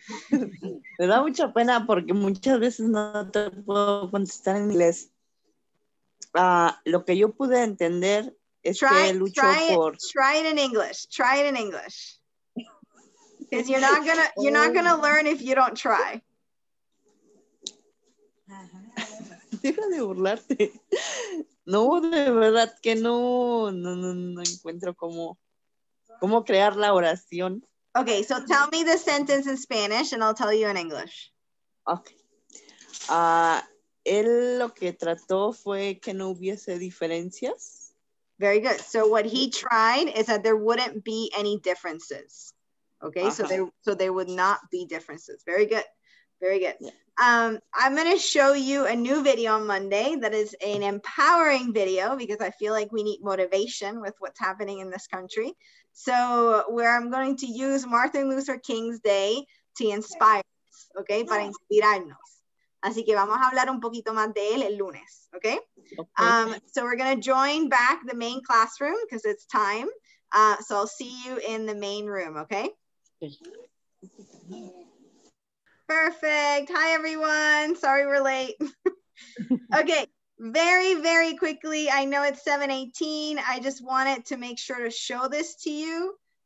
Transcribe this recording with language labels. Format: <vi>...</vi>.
<es>Me da mucha pena porque muchas veces no te puedo contestar en inglés. Lo que yo pude entender es que luchó por...</es> <en>Try it in English. Try it in English. Because you're not gonna learn if you don't try.</en> <es>Deja de burlarte. No, de verdad que no encuentro cómo crear la oración.</es> <en>Okay, so tell me the sentence in Spanish and I'll tell you in English. Okay.</en> <es>Él lo que trató fue que no hubiese diferencias.</es> <en>Very good. So what he tried is that there wouldn't be any differences. Okay, uh-huh. So there would not be differences. Very good. Very good. Yeah. I'm going to show you a new video on Monday that is an empowering video because I feel like we need motivation with what's happening in this country. So where I'm going to use Martin Luther King's Day to inspire us, okay?</en> <es>Para inspirarnos. Así que vamos a hablar un poquito más de él el lunes, okay?</es> <en>So we're going to join back the main classroom because it's time. So I'll see you in the main room, okay? Perfect. Hi, everyone. Sorry we're late. Okay. Very, very quickly, I know it's 7:18. I just wanted to make sure to show this to you.</en>